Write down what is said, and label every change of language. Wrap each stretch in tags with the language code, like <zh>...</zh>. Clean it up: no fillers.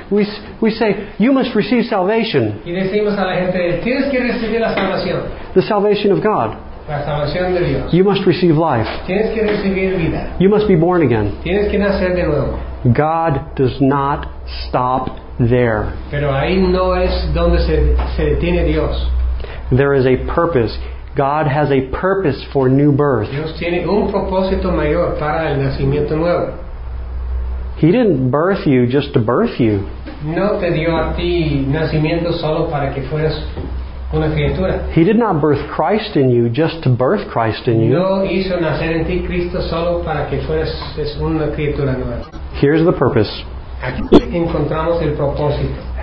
<en>We say, you must receive salvation.</en> <es>Y decimos a la gente, tienes que recibir la salvación.</es> <en>The salvation of God.</en> <es>La salvación de Dios.</es> <en>You must receive life.</en> <es>Tienes que recibir vida.</es> <en>You must be born again.</en> <es>Tienes que nacer de nuevo.</es> <en>God does not stop there.</en> <es>Pero ahí no es donde se detiene Dios.</es> <en>There is a purpose. God has a purpose for new birth.</en> <es>Dios tiene un propósito mayor para el nacimiento nuevo.</es> <en>He didn't birth you just to birth you.</en> <es>No te dio a ti nacimiento solo para que fueras una criatura.</es> <en>He did not birth Christ in you just to birth Christ in you.</en> <es>No hizo nacer en ti Cristo solo para que fueras una criatura nueva.</es> <en>Here's the purpose.</en> <es>Aquí encontramos el propósito.</es>